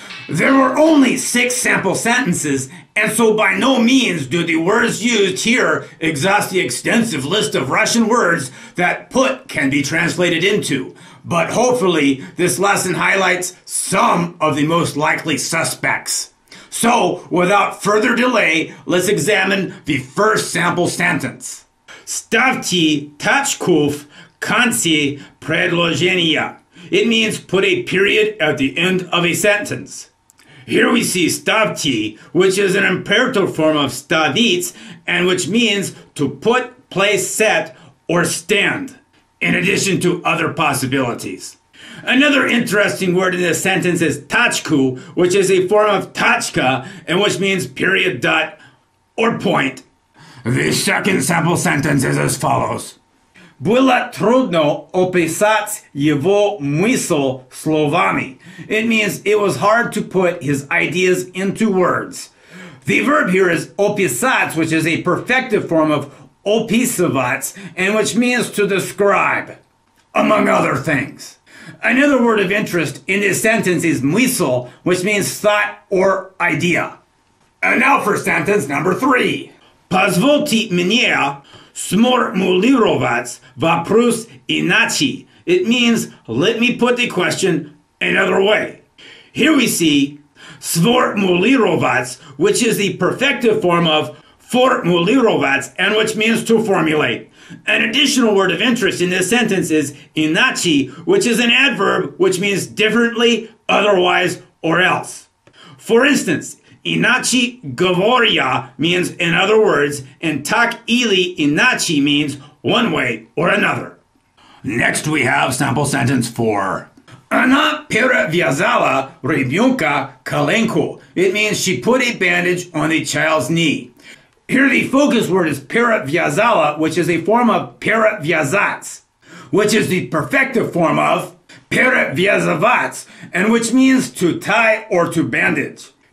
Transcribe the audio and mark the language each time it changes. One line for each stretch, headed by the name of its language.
English: There were only 6 sample sentences, and so by no means do the words used here exhaust the extensive list of Russian words that put can be translated into. But hopefully, this lesson highlights some of the most likely suspects. So, without further delay, let's examine the first sample sentence.
Russian: Ставьте точку в конце предложения.
English: It means put a period at the end of a sentence. Here we see ставьте, which is an imperative form of ставить, and which means to put, place, set, or stand, in addition to other possibilities. Another interesting word in this sentence is точку, which is a form of точка, and which means period, dot, or point. The second sample sentence is as follows.
Russian: Было трудно описать его мысль словами.
English: It means it was hard to put his ideas into words. The verb here is описать, which is a perfective form of описывать, and which means to describe, among other things. Another word of interest in this sentence is мысль, which means thought or idea. And now for sentence number 3.
Russian: Позвольте мне сформулировать вопрос иначе.
English: It means, let me put the question another way. Here we see сформулировать, which is the perfective form of формулировать, and which means to formulate. An additional word of interest in this sentence is иначе, which is an adverb which means differently, otherwise, or else. For instance,
Russian: иначе говоря
English: means in other words, and
Russian: так или иначе
English: means one way or another. Next we have sample sentence 4.
Russian: Она перевязала ребёнка коленку.
English: It means she put a bandage on the child's knee. Here the focus word is перевязала, which is a form of перевязать, which is the perfective form of перевязывать, and which means to tie or to bandage.